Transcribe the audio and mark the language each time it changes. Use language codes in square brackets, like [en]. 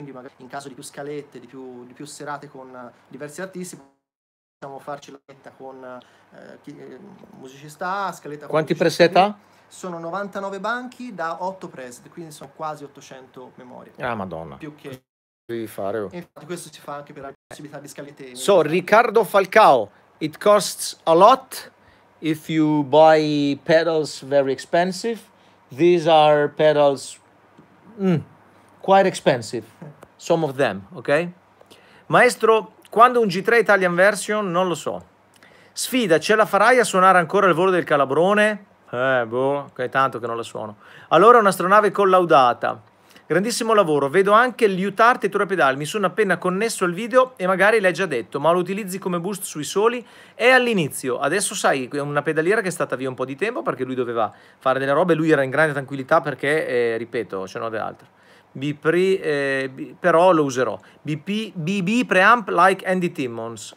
[it] Quindi magari in caso di più scalette, di più serate con diversi artisti, possiamo farci la scaletta con musicista A, scaletta... Quanti preset ha? Sono 99 banchi da 8 preset, quindi sono quasi 800 memorie. Ah, madonna. Più che... Devi fare. E infatti questo si fa anche per la possibilità di scalette. [en] So, Riccardo Falcao, it costs a lot if you buy pedals very expensive. These are pedals quite expensive, some of them, ok? [it] Maestro, quando un G3 [en] Italian version? [it] Non lo so. Sfida, ce la farai a suonare ancora il volo del Calabrone? È tanto che non la suono. Allora, un'astronave collaudata. Grandissimo lavoro. Vedo anche l'Utart e Tour Pedal. Mi sono appena connesso al video e magari l'hai già detto, ma lo utilizzi come boost sui soli? È all'inizio. Adesso sai, è una pedaliera che è stata via un po' di tempo perché lui doveva fare delle robe. Lui era in grande tranquillità perché, ripeto, ce n'ho delle altre. Però lo userò. [en] BB preamp like Andy Timmons.